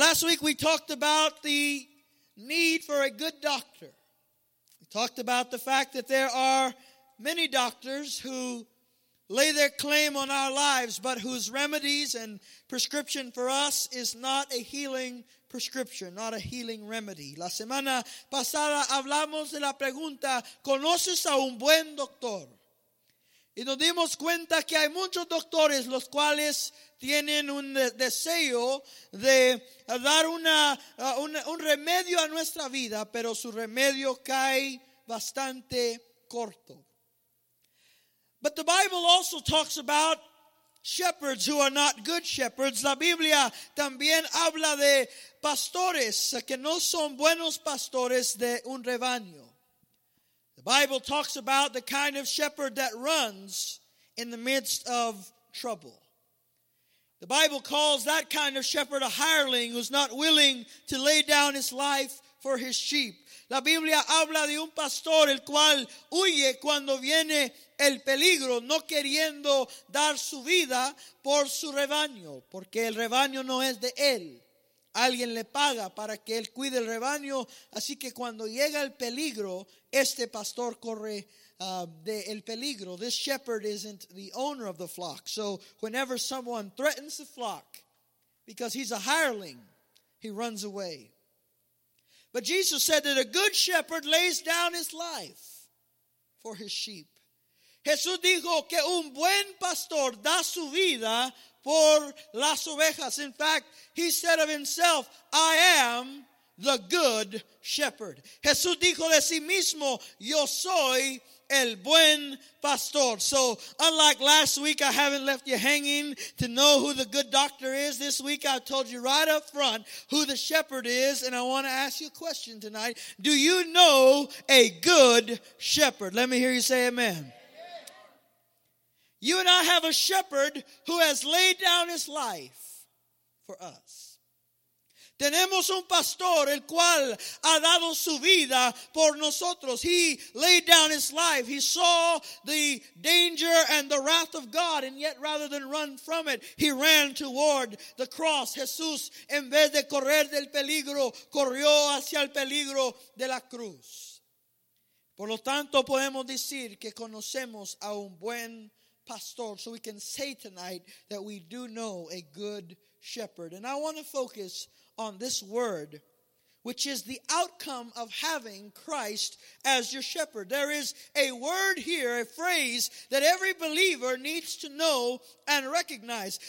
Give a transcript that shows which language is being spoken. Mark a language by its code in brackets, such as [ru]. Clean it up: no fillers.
[en] Last week we talked about the need for a good doctor. Talked about the fact that there are many doctors who lay their claim on our lives, but whose remedies and prescription for us is not a healing prescription, not a healing remedy. [es] La semana pasada hablamos de la pregunta, ¿conoces a un buen doctor? Y nos dimos cuenta que hay muchos doctores los cuales tienen un deseo de dar un remedio a nuestra vida, pero su remedio cae bastante corto. [en] But the Bible also talks about shepherds who are not good shepherds. [es] La Biblia también habla de pastores que no son buenos pastores de un rebaño. [en] The Bible talks about the kind of shepherd that runs in the midst of trouble. The Bible calls that kind of shepherd a hireling who's not willing to lay down his life for his sheep. [es] La Biblia habla de un pastor el cual huye cuando viene el peligro, no queriendo dar su vida por su rebaño, porque el rebaño no es de él. Alguien le paga para que él cuide el rebaño, así que cuando llega el peligro, este pastor corre de el peligro. [en] This shepherd isn't the owner of the flock. So whenever someone threatens the flock, because he's a hireling, he runs away. But Jesus said that a good shepherd lays down his life for his sheep. [es] Jesús dijo que un buen pastor da su vida por las ovejas. [en] In fact, he said of himself, I am the good shepherd. [es] Jesús dijo de sí mismo, yo soy el buen pastor. [en] So unlike last week, I haven't left you hanging to know who the good doctor is. This week, I've told you right up front who the shepherd is. And I want to ask you a question tonight. Do you know a good shepherd? Let me hear you say amen. You and I have a shepherd who has laid down his life for us. [es] Tenemos un pastor el cual ha dado su vida por nosotros. [en] He laid down his life. He saw the danger and the wrath of God, and yet rather than run from it, he ran toward the cross. [es] Jesús, en vez de correr del peligro, corrió hacia el peligro de la cruz. Por lo tanto, podemos decir que conocemos a un buen pastor. [en] So we can say tonight that we do know a good shepherd. And I want to focus on this word, which is the outcome of having Christ as your shepherd. There is a word here, a phrase that every believer needs to know and recognize.